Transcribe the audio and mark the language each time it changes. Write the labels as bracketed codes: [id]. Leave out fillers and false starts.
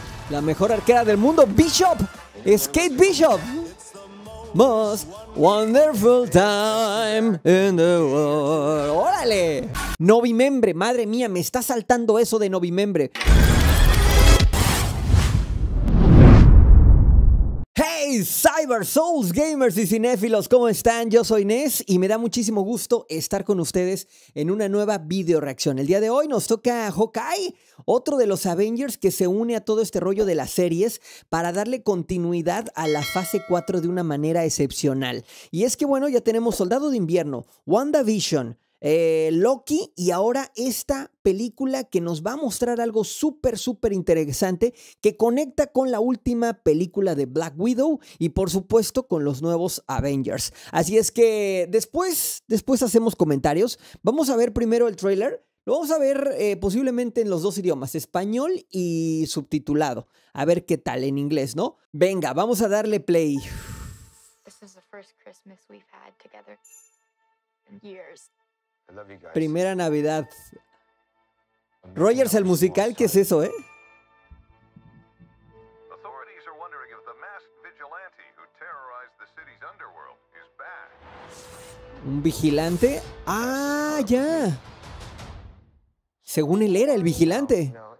[es] la mejor arquera del mundo, Bishop. Es Kate Bishop. [en] Most wonderful time in the world. [es] ¡Órale! Novimembre, madre mía, me está saltando eso de novimembre. ¡Hey, Cyber Souls Gamers y cinéfilos! ¿Cómo están? Yo soy Ness y me da muchísimo gusto estar con ustedes en una nueva video reacción. El día de hoy nos toca Hawkeye, otro de los Avengers que se une a todo este rollo de las series para darle continuidad a la fase 4 de una manera excepcional. Y es que bueno, ya tenemos Soldado de Invierno, WandaVision, Loki y ahora esta película que nos va a mostrar algo súper, súper interesante que conecta con la última película de Black Widow y por supuesto con los nuevos Avengers. Así es que después hacemos comentarios. Vamos a ver primero el trailer. Lo vamos a ver posiblemente en los dos idiomas, español y subtitulado. A ver qué tal en inglés, ¿no? Venga, vamos a darle play. [en] This is the first Christmas we've had together in years. I love you guys. [es] Primera Navidad. Rogers, el musical, ¿qué es eso, eh? [en] Authorities are wondering if the masked vigilante who terrorized the city's underworld is back. [es] ¿Un vigilante? ¡Ah, ya! Según él era el vigilante.